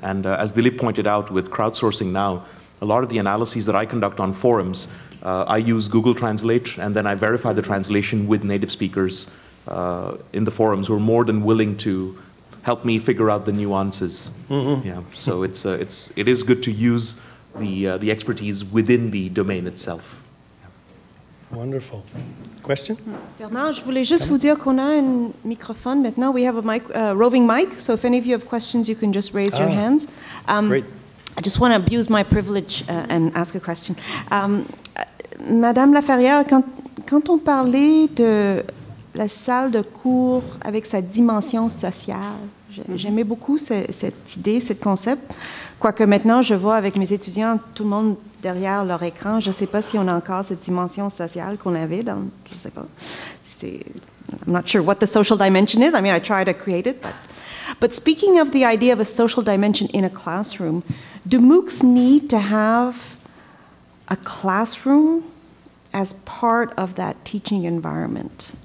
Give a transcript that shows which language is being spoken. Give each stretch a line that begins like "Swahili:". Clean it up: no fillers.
English: And as Dilip pointed out, with crowdsourcing now, a lot of the analyses that I conduct on forums, I use Google Translate, and then I verify the translation with native speakers in the forums, who are more than willing to help me figure out the nuances. Mm-hmm. Yeah, so it is good to use the expertise within the domain itself. Wonderful. Question?
French: Bernard, je voulais juste vous dire qu'on a un microphone maintenant.
English: We have a mic, roving mic, so if any of you have questions, you can just raise your hands. Great. I just want to abuse my privilege and ask a question.
French: Madame Laferrière, quand on parlait de la salle de cours avec sa dimension sociale, j'aimais beaucoup cette idée, ce concept. Quoique maintenant, je vois avec mes étudiants, tout le monde derrière leur écran, je ne sais pas si on a encore cette dimension sociale qu'on avait dans, je ne sais pas.
English: I'm not sure what the social dimension is. I mean, I try to create it. But speaking of the idea of a social dimension in a classroom, do MOOCs need to have a classroom as part of that teaching environment?